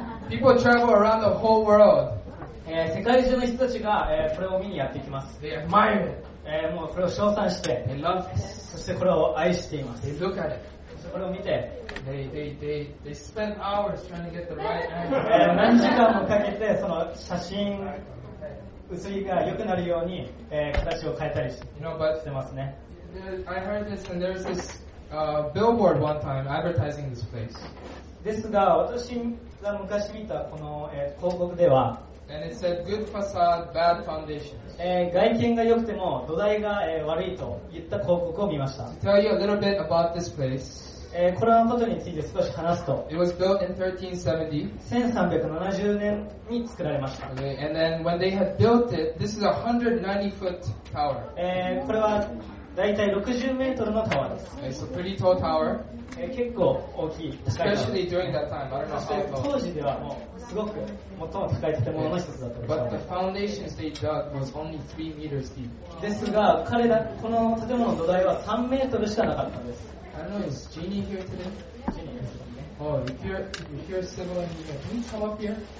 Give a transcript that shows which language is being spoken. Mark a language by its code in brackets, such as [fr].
[en] People travel around the whole world. [ja] 世界中の人たちがこれを見にやってきます。 [en] They admire it. [ja] もうこれを称賛して、 [en] they love it. [ja] そしてこれを愛しています。 [en] They look at it. [ja] それを見て [en] they spend hours trying to get the right angle. [ja] 何時間もかけてその写真写りが良くなるように、形を変えたりしてますね。 [en] I heard this and there was this billboard one time advertising this place. [ja] ですが私が昔見たこの、広告では [en] And it said, good facade, bad foundation. [ja] 外見が良くても土台が、悪いといった広告を見ました。 [en] To tell you a little bit about this place. [ja] これのことについて少し話すと [en] It was built in 1370. [ja] 1370年に作られました。 [en] Okay. And then when they had built it, this is a 190 foot tower. [ja] これは大体60メートルのタワーです。 [en] Okay, so pretty tall tower. [ja] 結構大きい。 [en] Especially during that time. I don't know how tall. [ja] 当時ではもうすごく最も高い建物の一つだったんです。 [en] But the foundation they dug was only 3 meters deep. [ja] ですが、彼らこの建物の土台は3メートルしかなかったんです。 [en] I don't know, is Jeannie here today? Jeannie is here. Oh, if you're civil engineer, can you come up here?